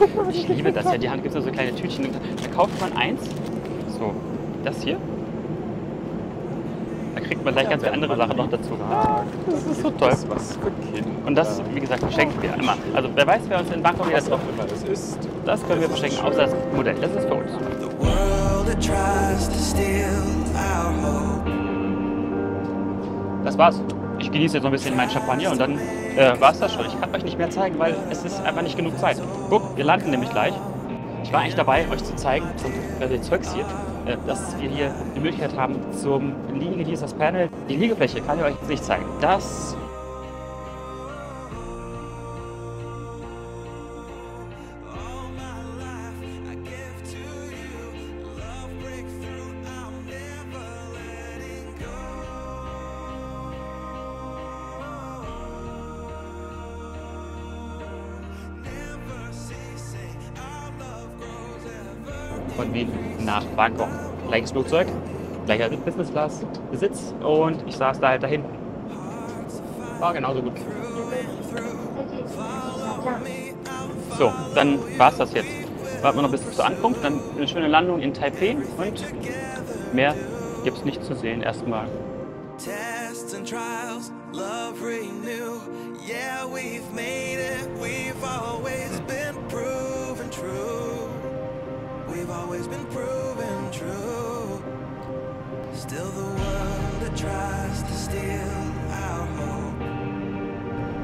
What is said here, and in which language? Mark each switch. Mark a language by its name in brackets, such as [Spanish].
[German] Ich liebe das ja, die Hand gibt so kleine Tütchen. Da kauft man eins, so das hier. Da kriegt man gleich ganz viele andere Sachen noch dazu. Das ist so toll. Das ist was für Kinder. Und das, wie gesagt, verschenken wir immer. Also wer weiß, wer uns in Bangkok wieder drauf immer das ist. Das können wir verschenken, außer das Modell. Das ist für uns. [English] The world that tries to steal our home. [German] Das war's. Ich genieße jetzt noch ein bisschen mein Champagner und dann war es das schon. Ich kann euch nicht mehr zeigen, weil es ist einfach nicht genug Zeit. Guck, wir landen nämlich gleich. Ich war eigentlich dabei, euch zu zeigen, den Zeugs hier, dass wir hier die Möglichkeit haben zum Liegen. Hier ist das Panel. Die Liegefläche kann ich euch nicht zeigen. Das. Von Wien nach Bangkok. Gleiches Flugzeug, gleicher Business Class Sitz und ich saß da halt da hinten. War genauso gut. So, dann war's das jetzt. Warten wir noch bis zur Ankunft, dann eine schöne Landung in Taipei und mehr gibt's nicht zu sehen erstmal. [English] Tests and trials, love renew. Yeah, we've made it, we've always been proven true. We've always been proven true. Still the world that tries to steal our hope.